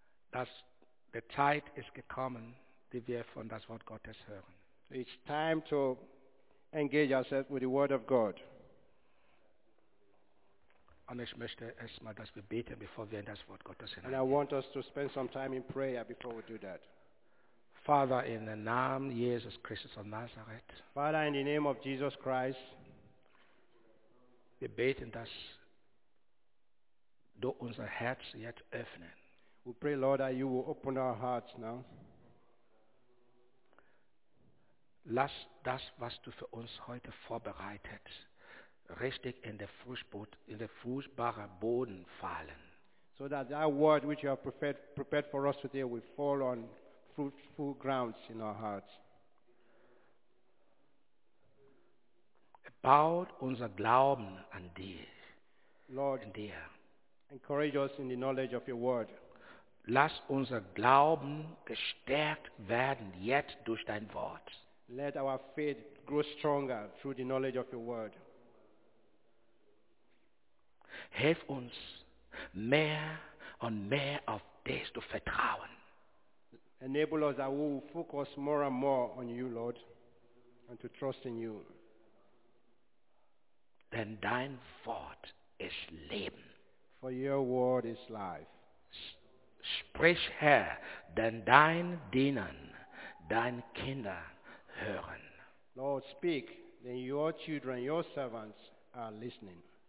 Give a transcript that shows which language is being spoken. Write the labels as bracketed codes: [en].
[de] Dass die Zeit ist gekommen, die wir von das Wort Gottes hören. [en] It's time to engage ourselves with the Word of God. [de] Und ich möchte erstmal, dass wir beten, bevor wir in das Wort Gottes hineingehen. [en] And I want us to spend some time in prayer before we do that. Father, in the name of Jesus Christus of Nazareth. Father, in the name of Jesus Christ. [de] Wir beten, dass du unser Herz jetzt öffnest. [en] We pray, Lord, that you will open our hearts now. [de] Lass das, was du für uns heute vorbereitet, richtig in den fruchtbaren Boden fallen. [en] So that that word which you have prepared for us today will fall on fruitful grounds in our hearts. [de] Baut unser Glauben an dir. [en] Lord, [de] in dir. [en] Encourage us in the knowledge of your word. [de] Lass unser Glauben gestärkt werden jetzt durch dein Wort. [en] Let our faith grow stronger through the knowledge of your word. [de] Hilf uns, mehr und mehr auf dich zu vertrauen. [en] Enable us that we will focus more and more on you, Lord, and to trust in you. [de] Denn dein Wort ist Leben. [en] For your word is life. [de] Sprich her, denn dein Dienern, dein Kinder hören. [en] Lord, speak, then your children, your servants are listening.